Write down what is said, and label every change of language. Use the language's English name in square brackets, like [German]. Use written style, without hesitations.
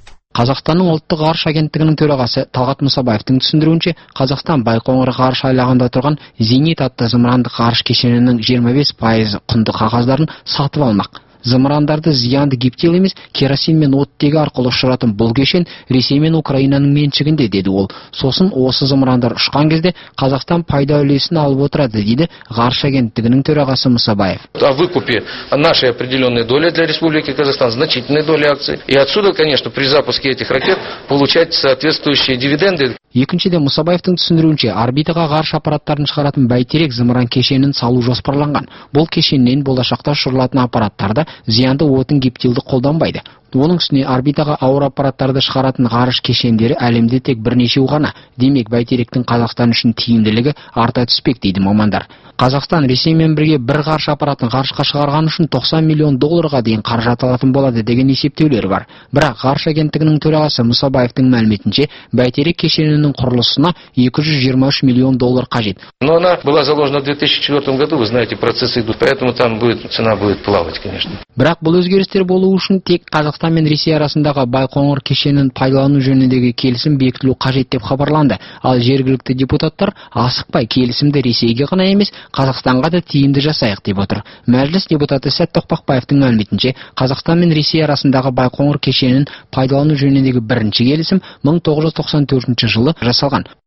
[Kazakh] Қазақстанның ұлттық ғарыш агенттігінің төрағасы Талғат Мұсабаевтың түсіндіруінше, Қазақстан Байқоңыр ғарыш айлағында тұрған Зенит атты зымырандық ғарыш кешенінің 25% құнды қағаздарын сатып алмақ. Зымырандарды зиянды гептил емес, керосин мен оттегі арқылы ұшыратын бұл кешен Ресей мен Украинаның меншігінде, деді ол. Сосын осы зымырандар ұшқан кезде Қазақстан пайда үлесін алып отырады, дейді ғарыш агенттігінің төрағасы Мұсабаев. [Russian] А выкупе наша определенная доля для Республики Казахстан, значительная доля акций. И отсюда, конечно, при запуске этих ракет получать соответствующие дивиденды. [Kazakh] Екіншіден Мұсабаевтың түсіндіруінше, орбитаға ғарыш аппараттарын шығаратын бәйтерек зымыран кешенін салу жоспарланған. Бұл кешеннен болашақта ұшырылатын аппараттарда зиянды отын гептилді қолданбайды. Оның үстіне орбитаға ауыр аппараттарды шығаратын ғарыш кешендері әлемде тек бірнешеу ғана. Демек, бәйтеректің Қазақстан үшін тиімділігі арта түспек, дейді мамандар. Қазақстан Ресеймен бірге бір ғарыш аппаратын ғарышқа шығарған үшін 90 миллион долларға дейін қаражат алатын болады деген есептеулер бар. Бірақ ғарыш агенттігінің төрағасы Мұсабаевтың мәліметінше, бәйтерек кешенінің құрылысына 223 миллион доллар қажет. [Russian] Но она была заложена в 2004 году, вы знаете, процессы идут, поэтому там будет цена будет плавать, конечно. [Kazakh] Бірақ бұл өзгерістер болуы үшін тек Қазақстан мен Ресей арасындағы Байқоңыр кешенін пайдалану жөніндегі келісім бекітілу қажет деп хабарланды. Ал жергілікті депутаттар асықпай келісімді Ресейге ғана емес, Қазақстанға да тиімді жасайық деп отыр. Мәжіліс депутаты Сәт Тоқпақбаевтың мәліметінше, Қазақстан мен Ресей арасындағы Байқоңыр кешенін пайдалану жөніндегі бірінші келісім 1994 жылы жасалған.